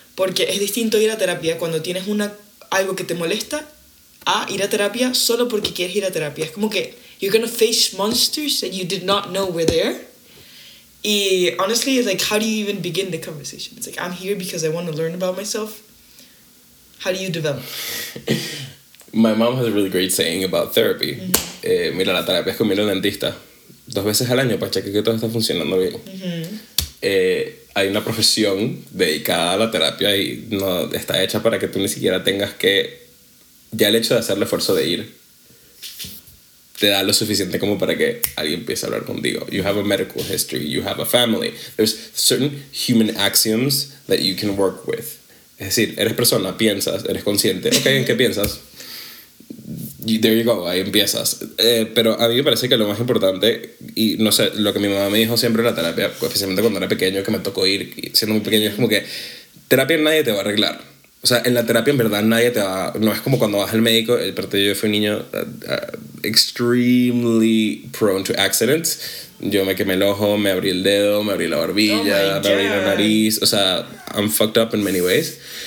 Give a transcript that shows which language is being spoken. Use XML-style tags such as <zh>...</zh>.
<es>Porque es distinto ir a terapia cuando tienes algo que te molesta a ir a terapia solo porque quieres ir a terapia. Es como que</es> <en>you're gonna face monsters that you did not know were there. Honestly, like, how do you even begin the conversation? It's like, I'm here because I want to learn about myself. How do you develop? My mom has a really great saying about therapy. Mm-hmm.</en> <es>Mira, la terapia es como ir al dentista. 2 veces al año para chequear que todo está funcionando bien. Mm-hmm. Hay una profesión dedicada a la terapia y no está hecha para que tú ni siquiera tengas que... Ya el hecho de hacer el esfuerzo de ir... te da lo suficiente como para que alguien empiece a hablar contigo.</es> <en>You have a medical history, you have a family. There's certain human axioms that you can work with.</en> <es>Es decir, eres persona, piensas, eres consciente. Okay, ¿en qué piensas?</es> <en>There you go,</en> <es>ahí empiezas. Pero a mí me parece que lo más importante, y no sé, lo que mi mamá me dijo siempre en la terapia, especialmente cuando era pequeño, que me tocó ir siendo muy pequeño, es como que terapia nadie te va a arreglar. O sea, en la terapia en verdad nadie te va... No es como cuando vas al médico. Aparte, yo fui un niño</es> <en>extremely prone to accidents.</en> <es>Yo me quemé el ojo, me abrí el dedo, me abrí la barbilla, me abrí la nariz. O sea,</es> <en>I'm fucked up in many ways.</en>